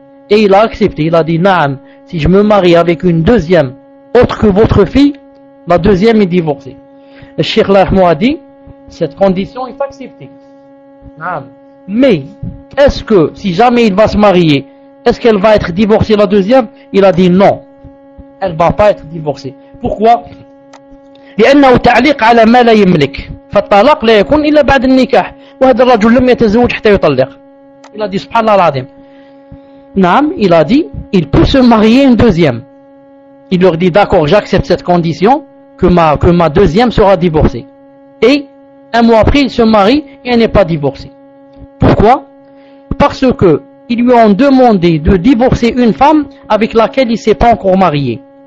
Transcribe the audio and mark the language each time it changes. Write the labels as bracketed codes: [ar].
[fr] Et il a accepté, il a dit, Naam, si je me marie avec une deuxième autre que votre fille, la deuxième est divorcée. Le Cheikh Lahmou a dit, cette condition est acceptée. Naam. Mais, est-ce que si jamais il va se marier, est-ce qu'elle va être divorcée la deuxième? Il a dit non. Elle ne va pas être divorcée. Pourquoi? [ar] لأنه تعليق على ما لا يملك. فالطلاق لا يكون إلا بعد النكاح. وهذا الرجل لم يتزوج حتى يطلق. [fr] Il a dit subhanallah l'adim. Naam, il a dit, il peut se marier une deuxième. Il leur dit d'accord, j'accepte cette condition que ma deuxième sera divorcée. Et un mois après, il se marie et elle n'est pas divorcée. Pourquoi? Parce que ils lui ont demandé de divorcer une femme avec laquelle il ne s'est pas encore marié.